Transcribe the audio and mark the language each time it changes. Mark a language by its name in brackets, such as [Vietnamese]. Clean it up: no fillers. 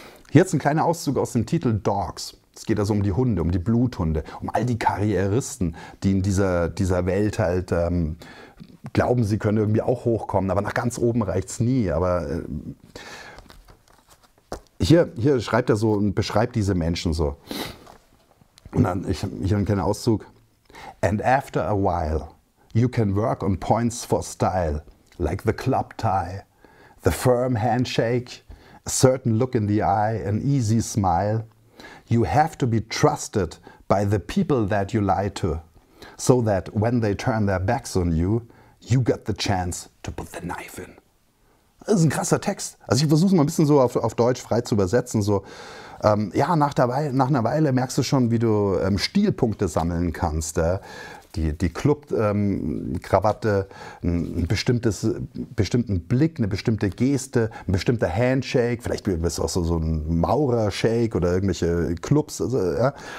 [German] Hier jetzt ein kleiner Auszug aus dem Titel Dogs. Es geht also um die Hunde, um die Bluthunde, um all die Karrieristen, die in dieser Welt halt glauben, sie können irgendwie auch hochkommen, aber nach ganz oben reicht es nie. Aber hier schreibt er so und beschreibt diese Menschen so. Und dann, hier einen kleinen Auszug. [English] And after a while, you can work on points for style, like the club tie, the firm handshake, a certain look in the eye, an easy smile. You have to be trusted by the people that you lie to, so that when they turn their backs on you, you got the chance to put the knife in. [German] Das ist ein krasser Text. Also ich versuche es mal ein bisschen so auf Deutsch frei zu übersetzen. So, nach einer Weile merkst du schon, wie du Stilpunkte sammeln kannst. Die Club-Krawatte, bestimmten Blick, eine bestimmte Geste, ein bestimmter Handshake, vielleicht bist du auch so ein Maurer-Shake oder irgendwelche Clubs. Also, ja.